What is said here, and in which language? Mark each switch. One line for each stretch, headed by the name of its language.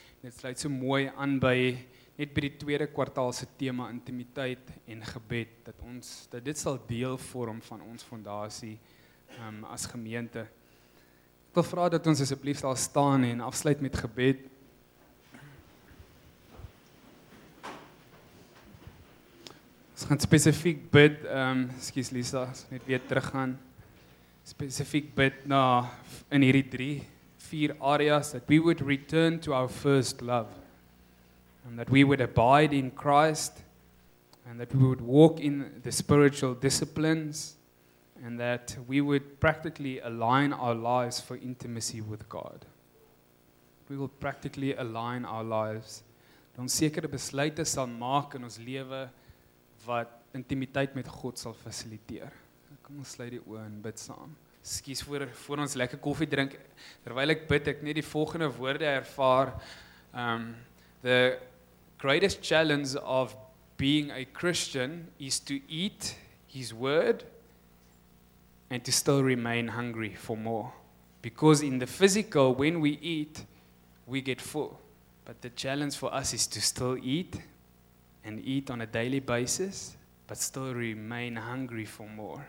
Afrikaans: Dit sluit so mooi aan by net by die tweede kwartaal se tema intimiteit en gebed dat dit sal deel vorm van ons fondasie as gemeente. Ek wil vra dat ons asseblief sal staan en afsluit met gebed. Ons gaan spesifiek bid, excuse Lisa, net weer teruggaan.
English: Specific
Afrikaans: bit na in hierdie
English: 3-4 areas that we would return to our first love and that we would abide in Christ and that we would walk in the spiritual disciplines and that we would practically align our lives for intimacy with God. we will practically align our lives.
Afrikaans: Ons sekere besluite sal maak in ons lewe wat intimiteit met God sal fasiliteer. Kom ons sluit die oë en bid saam. Skus voor ons lekker koffie drink terwyl ek bid, ek net die volgende woorde ervaar.
English: The greatest challenge of being a Christian is to eat his word and to still remain hungry for more. Because in the physical, when we eat, we get full. But the challenge for us is to still eat and eat on a daily basis, but still remain hungry for more.